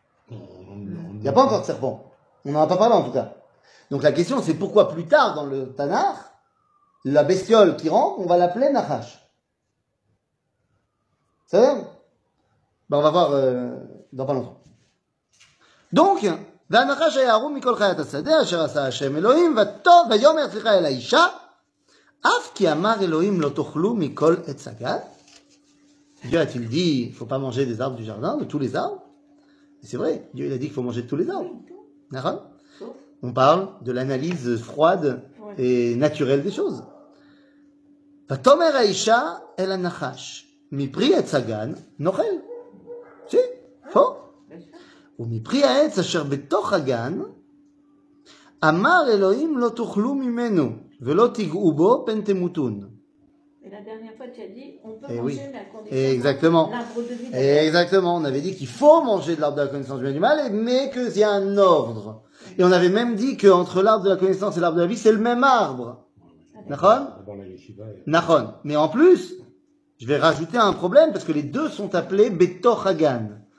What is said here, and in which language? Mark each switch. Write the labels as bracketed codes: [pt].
[fr] Il n'y a pas encore de serpent. On n'en a pas parlé en tout cas. Donc la question, c'est pourquoi plus tard dans le Tanakh, la bestiole qui rentre, on va l'appeler Nahash. Ça va ? Ben, on va voir dans pas longtemps. [he] Donc, והנחש היה ערום מכל חיית השדה אשר עשה השם אלוהים וטוב ויאמר סליחה אל האישה אף כי אמר אלוהים לא תאכלו מכל עץ הגן. [fr] Dieu a-t-il dit il ne faut pas manger des arbres du jardin, de tous les arbres? C'est vrai, Dieu il a dit qu'il faut manger de tous les arbres. D'accord ? On parle de l'analyse froide et naturelle des choses. [he] ותאמר האישה אל הנחש מפרי עץ הגן נאכל. [fr] Si, faux. [he] ומפרי העץ אשר בתוך הגן אמר אלוהים לא תאכלו ממנו ולא תגעו בו פן תמותון. [fr] Exactement. Exactement. On avait dit qu'il faut manger de l'arbre de la connaissance du bien et du mal, mais qu'il y a un ordre. Et on avait même dit qu'entre l'arbre de la connaissance et l'arbre de la vie, c'est le même arbre. Nachon ? Nachon. Mais en plus, je vais rajouter un problème parce que les deux sont appelés Betoch Hagan.